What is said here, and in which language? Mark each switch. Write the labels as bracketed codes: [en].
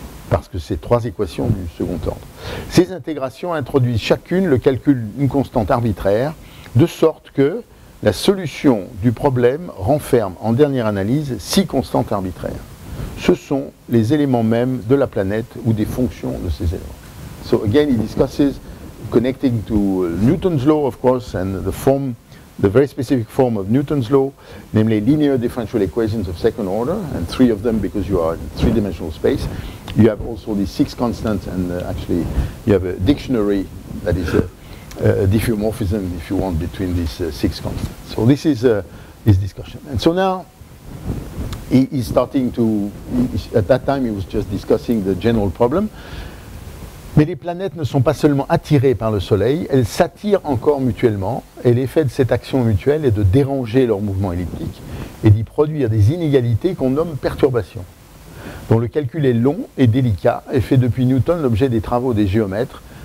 [fr] Parce que c'est 3 équations du second ordre. Ces intégrations introduisent chacune le calcul d'une constante arbitraire, de sorte que la solution du problème renferme, en dernière analyse, 6 constantes arbitraires. Ce sont les éléments mêmes de la planète ou des fonctions de ces éléments. [en] So again, he discusses connecting to Newton's law, of course, and the form the very specific form of Newton's law, namely linear differential equations of second order, and three of them because you are in three-dimensional space. You have also these six constants, and actually you have a dictionary that is a diffeomorphism, if you want, between these six constants. So this is his discussion. And so now he is starting to, at that time he was just discussing the general problem. [fr] Mais les planètes ne sont pas seulement attirées par le Soleil, elles s'attirent encore mutuellement, et l'effet de cette action mutuelle est de déranger leur mouvement elliptique et d'y produire des inégalités qu'on nomme perturbations, dont le calcul est long et délicat et fait depuis Newton l'objet des travaux des géomètres.